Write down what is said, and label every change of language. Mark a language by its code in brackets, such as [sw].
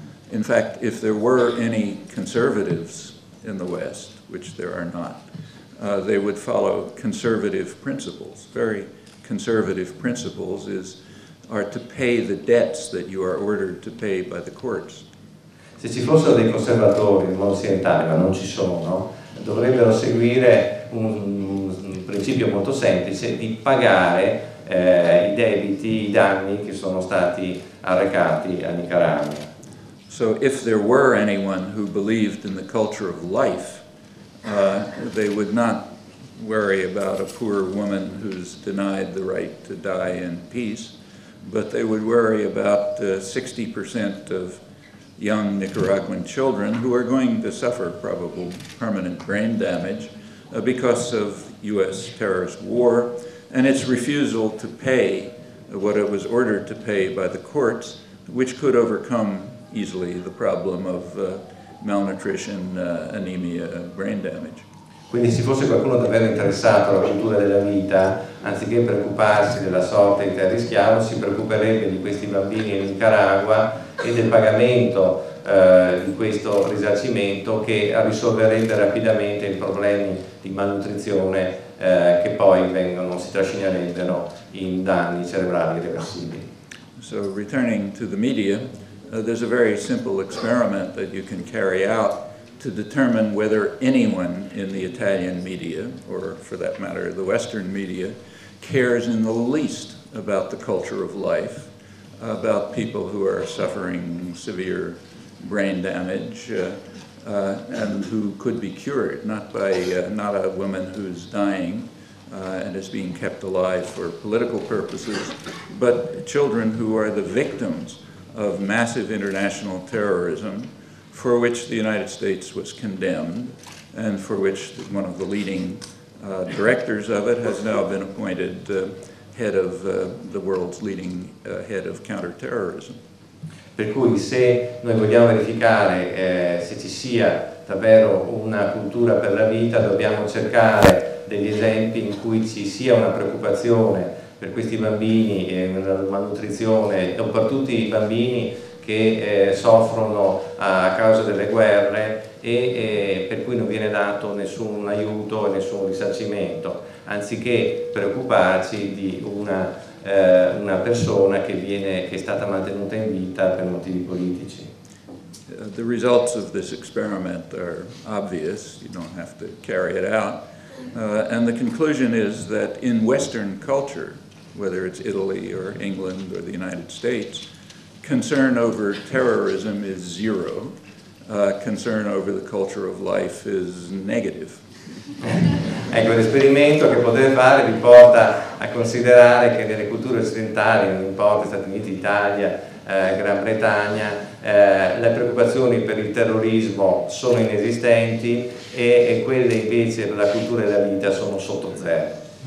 [en] In fact, if there were any conservatives in the West, which there are not, they would follow conservative principles. Very conservative principles are to pay the debts that you are ordered to pay by the courts. [it] Se ci fossero dei conservatori, non si entrare, ma non ci sono, dovrebbero seguire un principio molto semplice di pagare i debiti, i danni che sono stati arrecati a Nicaragua. [en] So if there were anyone who believed in the culture of life, they would not worry about a poor woman who's denied the right to die in peace, but they would worry about 60% of young Nicaraguan children who are going to suffer probable permanent brain damage because of U.S. terrorist war and its refusal to pay what it was ordered to pay by the courts, which could overcome easily the problem of malnutrition, anemia, brain damage. [it] Quindi se fosse qualcuno davvero interessato alla cultura della vita, anziché preoccuparsi della sorte in terra di schiavo, si preoccuperebbe di questi bambini in Nicaragua e del pagamento di questo risarcimento che risolverebbe rapidamente i problemi di malnutrizione che poi si trascinerebbero in danni cerebrali irreversibili. [en] So returning to the media, there's a very simple experiment that you can carry out to determine whether anyone in the Italian media, or for that matter the Western media, cares in the least about the culture of life, about people who are suffering severe brain damage and who could be cured, not a woman who's dying and is being kept alive for political purposes, but children who are the victims of massive international terrorism for which the United States was condemned and for which one of the leading directors of it has now been appointed head of the world's leading head of counterterrorism. [it] Per cui se noi vogliamo verificare se ci sia davvero una cultura per la vita, dobbiamo cercare degli esempi in cui ci sia una preoccupazione per questi bambini e la malnutrizione, o per tutti i bambini che soffrono a causa delle guerre e per cui non viene dato nessun aiuto e nessun risarcimento, anziché preoccuparci di una persona che è stata mantenuta in vita per motivi politici. [en] The results of this experiment are obvious, you don't have to carry it out, and the conclusion is that in Western culture, whether it's Italy or England or the United States, concern over terrorism is zero. Concern over the culture of life is negative. [it] Ecco, l'esperimento che potete fare vi porta a considerare che nelle culture occidentali, non importa Stati Uniti, Italia, Gran Bretagna, le preoccupazioni per il terrorismo sono inesistenti e quelle invece per la cultura e la vita sono sotto zero.